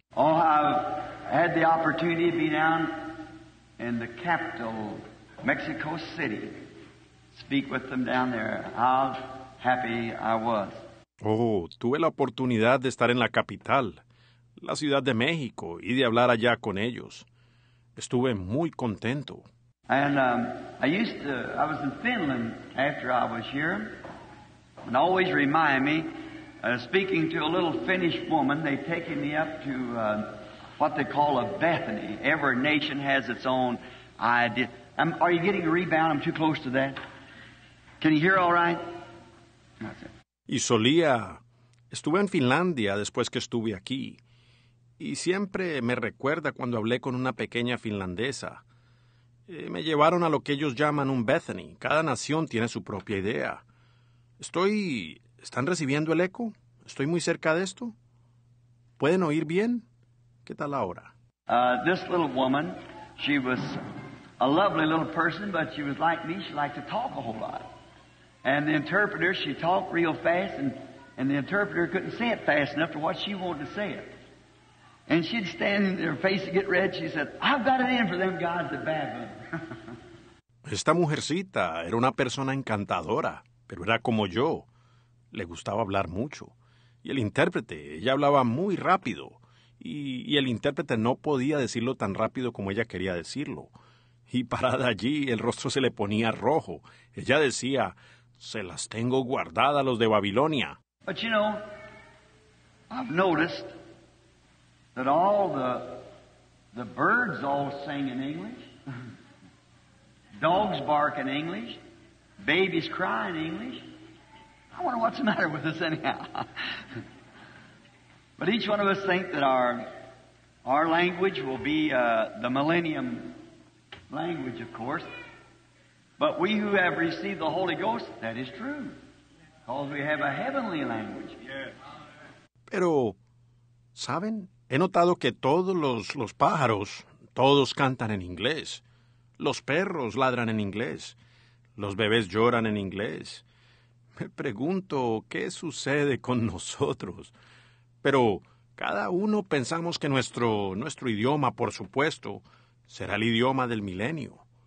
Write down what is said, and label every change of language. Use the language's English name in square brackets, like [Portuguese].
[English] Oh, I've had the opportunity to be down in the capital, Mexico City. Speak with them down there. How happy I was. [Spanish] Oh, tuve la oportunidad de estar en la capital, la Ciudad de México, y de hablar allá con ellos. Estuve muy contento. [English] And I was in Finland after I was here, and always remind me, speaking to a little Finnish woman, they taken me up to what they call a Bethany. Every nation has its own idea. Are you getting a rebound? I'm too close to that. Can you hear all right? That's it. [Spanish] Y solía, estuve en Finlandia después que estuve aquí, y siempre me recuerda cuando hablé con una pequeña finlandesa. Me llevaron a lo que ellos llaman un Bethany. Cada nación tiene su propia idea. ¿Están recibiendo el eco? ¿Estoy muy cerca de esto? ¿Pueden oír bien? ¿Qué tal ahora? [English] This little woman, she was a lovely little person, but she was like me, she liked to talk a whole lot. And the interpreter, she talked real fast, and the interpreter couldn't say it fast enough to what she wanted to say it. And she'd stand in her face and get red. She said, "I've got it in for them gods of Babylon." [Spanish] Esta mujercita era una persona encantadora, pero era como yo. Le gustaba hablar mucho. Y el intérprete, ella hablaba muy rápido. Y el intérprete no podía decirlo tan rápido como ella quería decirlo. Y parada allí, el rostro se le ponía rojo. Ella decía, "Se las tengo guardadas los de Babilonia." [English] But you know, I've noticed that all the birds all sing in English. Dogs bark in English. Babies cry in English. I wonder what's the matter with us anyhow. But each one of us think that our language will be the millennium language, of course. But we who have received the Holy Ghost, that is true. Because we have a heavenly language. [Spanish] Pero, ¿saben? He notado que todos los pájaros, todos cantan en inglés. Los perros ladran en inglés. Los bebés lloran en inglés. Me pregunto, ¿qué sucede con nosotros? Pero cada uno pensamos que nuestro idioma, por supuesto, será el idioma del milenio.